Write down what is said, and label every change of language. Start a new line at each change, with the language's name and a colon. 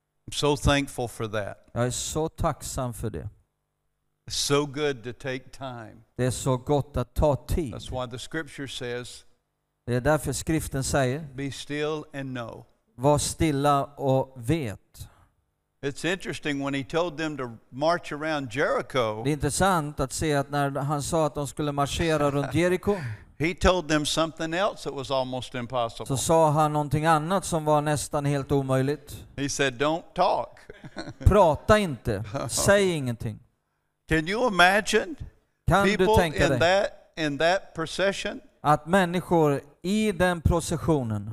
English: I'm so thankful for that.
Swedish: Jag är så tacksam för det.
English: So good to take time.
Swedish: Det är så gott att ta tid.
English: That's why the scripture says.
Swedish: Det är därför skriften säger.
English: Be still and know.
Swedish: Var stilla och vet.
English: It's interesting when he told them to march around Jericho.
Swedish: Det är intressant att se att när han sa att de skulle marschera runt Jericho.
English: He told them something else that was almost impossible.
Swedish: Så sa han någonting annat som var nästan helt omöjligt.
English: He said, "Don't talk."
Swedish: Prata inte. Säg ingenting.
English: Can you imagine?
Swedish: Kan du tänka dig?
English: In that procession.
Swedish: Att människor i den processionen.